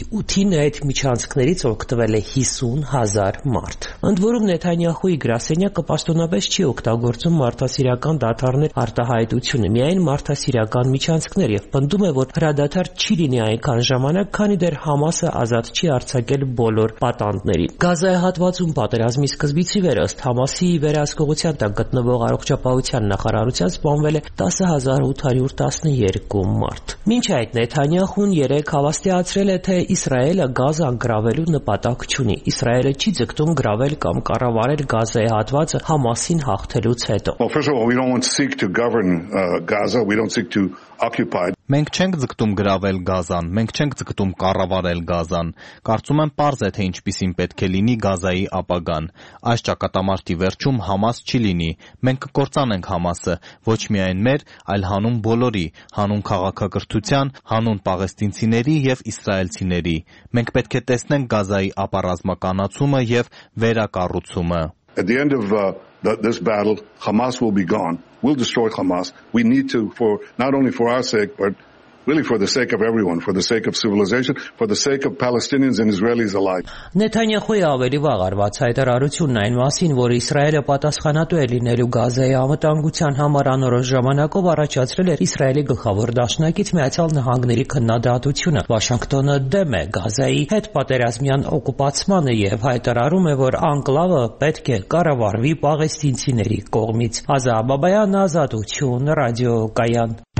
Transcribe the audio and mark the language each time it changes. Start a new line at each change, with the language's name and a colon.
Armenian: 8-ին այդ միջանցքներից օգտվել է 50,000 մարդ։ Ընդ որում Նեթանյահուի գրասենյակը պաշտոնապես չի օգտագործում մարդասիրական դադարներ արտահայտությունը, միայն մարդասիրական միջանցքներ, և պնդում է, որ հրադադար չի լինի այնքան ժամանակ, քանի դեռ Համասը ազատ չի արձակել բոլոր պատանդներին։ Գազայի հատվածում պատերազմի սկզբից ի վեր ըստ Համասի վերահսկողության տակ գտնվող առողջապահության նախարարության սպանվել է 10,812 մարդ։ Մինչ այդ Նեթանյահուն 3 հավաստիացրել է, թե Իսրայելը Գազան գրավելու նպատակ չունի։ Իսրայելը չի ձգտում գրավել կամ կառավարել Գազայի հատվածը Համասին հաղթելուց հետո։
English: Well, first of all, we don't seek to govern Gaza. We don't seek to occupied.
Armenian: Մենք չենք ձգտում գravel գազան, մենք չենք ձգտում կառավարել գազան։ Կարծում եմ պարզ է, թե ինչպիսին պետք է լինի գազայի ապագան։ Այս ճակատամարտի վերջում Համաս չի լինի։ Մենք կկործանենք Համասը, ոչ միայն մեր, այլ հանուն բոլորի, հանուն քաղաքակրթության, հանուն պաղեստինցիների և իսրայելցիների։ Մենք պետք է տեսնենք գազայի ապառազմականացումը և վերակառուցումը։
English: At the end of this battle, Hamas will be gone. We'll destroy Hamas. We need to, for not only for our sake, but really for the sake of everyone, for the sake of civilization, for the sake of Palestinians and Israelis alike.
Armenian: Netanyahu-ի ավելի վաղ արված հայտարարությունն այն մասին, որ Իսրայելը պատասխանատու է լինելու Գազայի անվտանգության համար անորոշ ժամանակով առաջացրել էր Իսրայելի գլխավոր դաշնակից Միացյալ Նահանգների քննադատությունը. Վաշինգտոնը դեմ է Գազայի հետպատերազմյան օկուպացմանը և հայտարարում է, որ անկլավը պետք է կառավարվի պաղեստինցիների կողմից։ Ազա Աբաբայան, Ազատություն, Ռադիո Կայան։